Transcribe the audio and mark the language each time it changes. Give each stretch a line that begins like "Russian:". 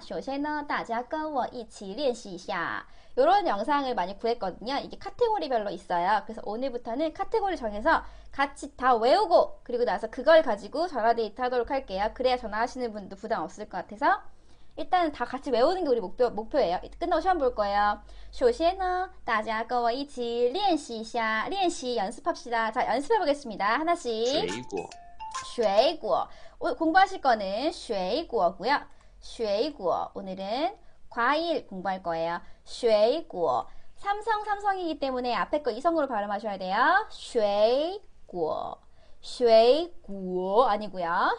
Chinese: 首先呢，大家跟我一起练习一下。
Korean: 이런 영상을 많이 구했거든요. 이게 카테고리별로 있어요. 그래서 오늘부터는 카테고리 정해서 같이 다 외우고, 그리고 나서 그걸 가지고 전화 데이트 하도록 할게요. 그래야 전화하시는 분도 부담 없을 것 같아서. 일단 다 같이 외우는 게 우리 목표예요. 끝나고 시험 볼 거예요.
Chinese: 首先呢, 大家跟我一起练习一下, 练习
Korean: 연습합시다. 자, 연습해 보겠습니다. 하나씩.
Chinese: 水果，水果.
Korean: 공부하실 거는 水果고요.
Chinese: 水果.
Korean: 오늘은 과일 공부할 거예요. 쉐이구어. 삼성이기 때문에 앞에 거 이성으로 발음하셔야 돼요. 쉐이구어. 쉐이구어 아니고요.